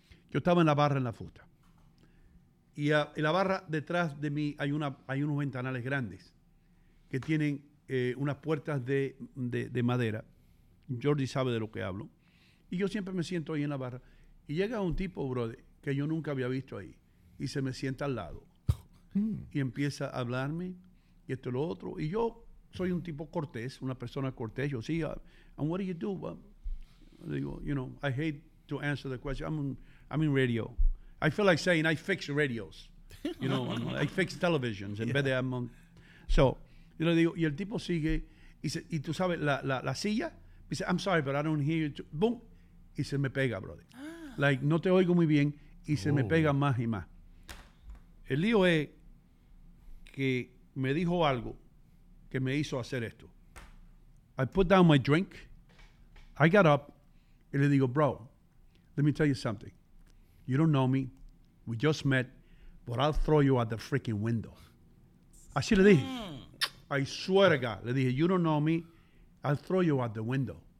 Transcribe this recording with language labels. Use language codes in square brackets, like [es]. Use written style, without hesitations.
[es] Yo estaba en la barra en La Fusta. Y la barra detrás de mí hay unos ventanales grandes que tienen unas puertas de madera. Jordi sabe de lo que hablo. Y yo siempre me siento ahí en la barra. Y llega un tipo, brother, que yo nunca había visto ahí. Y se me sienta al lado. Y empieza a hablarme. Y esto y lo otro. Y yo soy un tipo cortés, una persona cortés. Yo, sí, [en] and what do you do? Well, [es] digo, [en] you know, I hate to answer the question. I'm in radio. I feel like saying I fix radios. You know, I fix televisions. [es] En vez de [en] I'm on. So, [es] yo le digo, y el tipo sigue. Y tú sabes, la silla. Dice, [en] I'm sorry, but I don't hear you. [es] Boom. Y se me pega, brother. Ah. Like, no te oigo muy bien. Y se me pega más y más. El lío es que me dijo algo que me hizo hacer esto. [en] I put down my drink. I got up. [es] Y le digo, [en] bro, let me tell you something. You don't know me. We just met. But I'll throw you out the freaking window. [es] Así le dije. [en] I swear to God. [es] Le dije, [en] you don't know me. I'll throw you out the window.